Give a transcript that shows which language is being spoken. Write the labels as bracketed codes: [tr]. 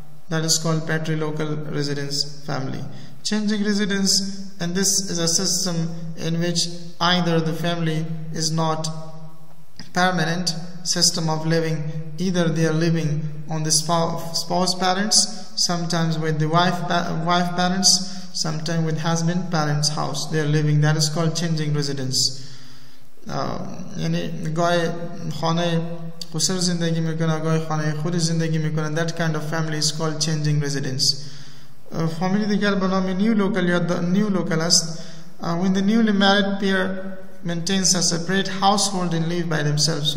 [en] That is called patrilocal residence family. Changing residence, and this is a system in which either the family is not permanent system of living, either they are living on the spouse parents, sometimes with the wife parents, sometimes with husband parents house they are living. That is called changing residence. [fa] یعنی گاهی خانه خسر زندگی میکنه، گاهی خانه خود زندگی میکنه. [en] That kind of family is called changing residence. Family [fa] دیگر به نام [en] new local یا new localist. When the newly married pair maintains a separate household and live by themselves.